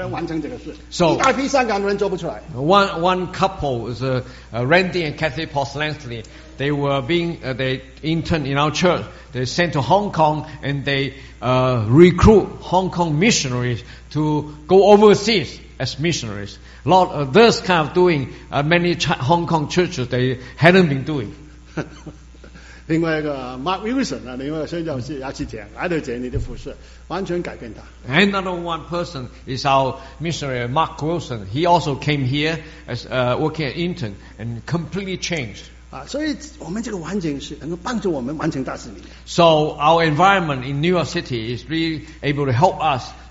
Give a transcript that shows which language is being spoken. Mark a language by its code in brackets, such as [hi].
[zh] 邀请那些香港的人去第三世界做传福音工作，竟然是一个白人从美国经过纽约去到香港，才能完成这个事。一大批香港的人做不出来。 [en] One couple is Randy and Kathy Poslansky. They were being they interned in our church. They sent to Hong Kong and they recruit Hong Kong missionaries to go overseas. As missionaries, Lord, this kind of doing, many Hong Kong churches they hadn't been doing. [zh] 另外一个 Mark Wilson 啊，另外一个宣教士也是这样，来到这里的服事，完全改变他。Another [en] one person is our missionary Mark Wilson. He also came here as working as intern and completely changed. [zh] 所以我们这个环境是能够帮助我们完成大使命。So [en] our environment in New York City is really able to help us.